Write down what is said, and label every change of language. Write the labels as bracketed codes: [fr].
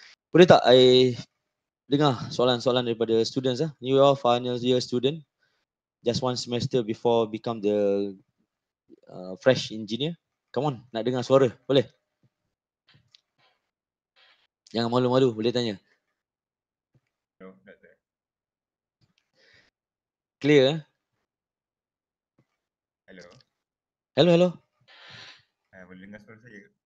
[ms] Boleh tak I dengar soalan-soalan daripada students lah. [en] You are final year student. Just one semester before become the fresh engineer. Come on, [ms] nak dengar suara. Boleh? Jangan malu-malu, boleh tanya. [en] No, not there. Clear? Hello. Hello, hello. [ms] Boleh dengar suara saya?